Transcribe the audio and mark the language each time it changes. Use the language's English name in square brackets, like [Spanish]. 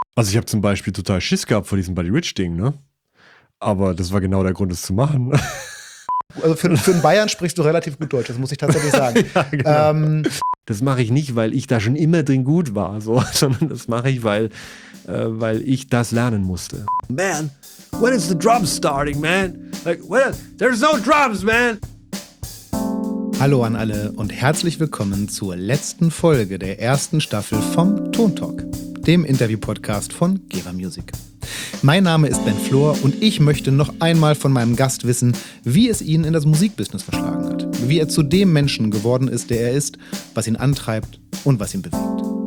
[German] Also ich habe zum Beispiel total Schiss gehabt vor diesem Buddy Rich-Ding, ne? Aber das war genau der Grund, es zu machen. Also für einen Bayern sprichst du relativ gut Deutsch, das muss ich tatsächlich sagen. Ja, genau. Das mache ich nicht, weil ich da schon immer drin gut war, so, sondern das mache ich, weil ich das lernen musste. [English] Man, when is the drums starting, man? Like, when, there's no drums, man! [German] Hallo an alle und herzlich willkommen zur letzten Folge der ersten Staffel vom Tontalk, dem Interview-Podcast von Gera Music. Mein Name ist Ben Flohr und ich möchte noch einmal von meinem Gast wissen, wie es ihn in das Musikbusiness verschlagen hat, wie er zu dem Menschen geworden ist, der er ist, was ihn antreibt und was ihn bewegt.